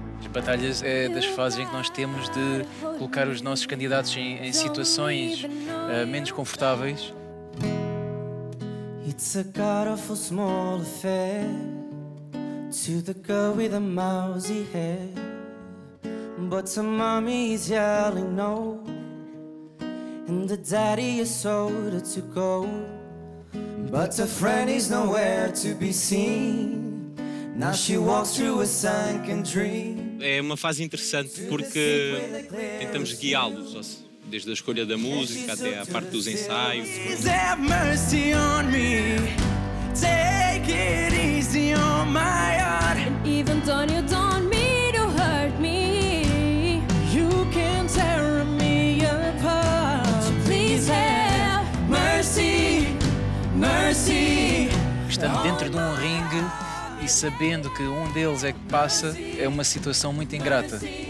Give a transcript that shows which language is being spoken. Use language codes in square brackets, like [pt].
[pt] batalhas é das fases em que nós temos de colocar os nossos candidatos em situações menos confortáveis. [en] It's a god awful small affair to the girl with a mousy hair. But to mommy he's yelling no. And the daddy is soda to go. But a friend is nowhere to be seen. Now she walks through a sunken dream. [pt] É uma fase interessante porque tentamos guiá-los, desde a escolha da música até à parte dos ensaios. [en] Have mercy on me. Take it easy on my heart. And even though you don't mean to hurt me, you can tear me apart. Please have mercy, mercy. [pt] Estamos dentro de um ringue e sabendo que um deles é que passa, é uma situação muito ingrata.